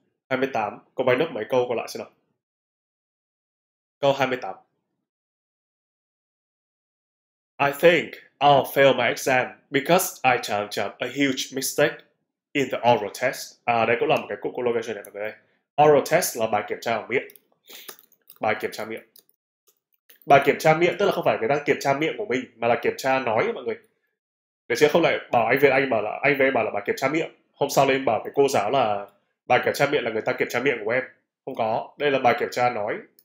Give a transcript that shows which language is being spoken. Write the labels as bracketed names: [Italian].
[Vietnamese] Hai mươi tám, có bài nước mấy câu còn lại xem nào. Câu 28. [English] I think I'll fail my exam because I turned up a huge mistake in the oral test. [Vietnamese] À, đây cũng là một cái cụm collocation này mọi người. Oral test là bài kiểm tra bằng miệng. Bài kiểm tra miệng. Bài kiểm tra miệng tức là không phải người ta kiểm tra miệng của mình mà là kiểm tra nói mọi người. Để chứ không lại bảo anh Việt Anh bảo là anh về bảo là bài kiểm tra miệng. Hôm sau lên bảo với cô giáo là bài kiểm tra miệng là người ta kiểm tra miệng của em. Không có. Đây là bài kiểm tra nói.